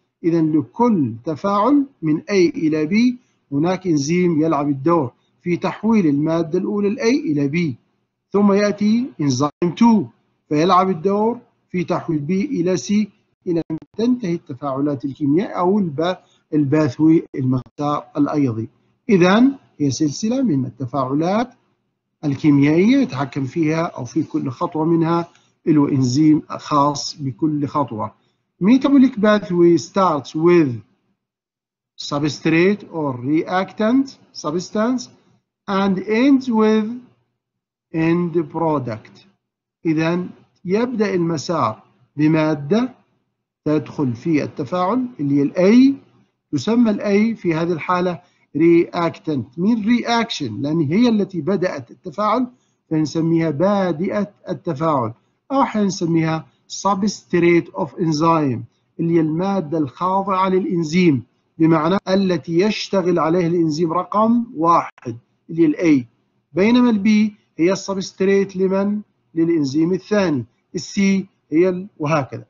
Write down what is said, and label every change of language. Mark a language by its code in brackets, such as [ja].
[ar] إذن لكل تفاعل من A إلى B هناك إنزيم يلعب الدور في تحويل المادة الأولى A إلى B، ثم يأتي إنزيم 2 فيلعب الدور في تحويل B إلى C إلى أن تنتهي التفاعلات الكيميائية أو الباثوي المسار الأيضي. إذن هي سلسلة من التفاعلات الكيميائية يتحكم فيها أو في كل خطوة منها له إنزيم خاص بكل خطوة. [en] Metabolic pathway starts with substrate or reactant substance and ends with end product. [ar] إذن يبدأ المسار بمادة تدخل في التفاعل اللي هي الأي، تسمى الأي في هذه الحالة reactant من reaction لأن هي التي بدأت التفاعل، فنسميها بادئة التفاعل، أو حين نسميها substrate of enzyme اللي هي المادة الخاضعة للإنزيم، بمعنى التي يشتغل عليه الإنزيم رقم واحد اللي هي الأي، بينما البي هي substrate لمن؟ للإنزيم الثاني، السي هي وهكذا.